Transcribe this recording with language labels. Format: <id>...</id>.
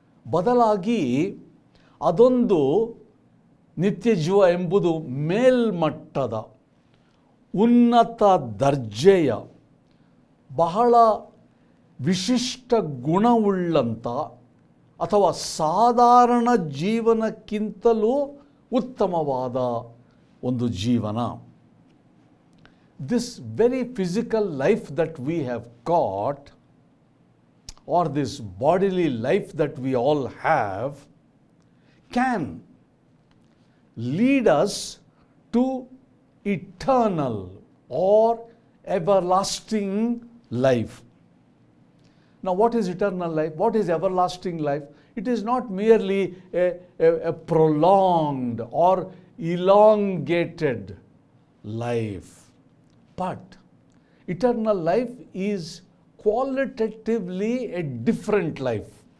<kn>ಬದಲಾಗಿ ಅದೊಂದು ನಿತ್ಯ ಜೀವ ಎಂಬುದು ಮೇಲ್ಮಟ್ಟದ, ಉನ್ನತ ದರ್ಜೆಯ, ಬಹಳ ವಿಶಿಷ್ಟ ಗುಣವುಳ್ಳಂಥ ಅಥವಾ ಸಾಧಾರಣ ಜೀವನಕ್ಕಿಂತಲೂ ಉತ್ತಮವಾದ ಒಂದು ಜೀವನ.</kn> <en>This very physical life that we have got, or this bodily life that we all have, can lead us to eternal or everlasting life. Now, what is eternal life? What is everlasting life? It is not merely a prolonged or elongated life, but eternal life is qualitatively a different life.</en>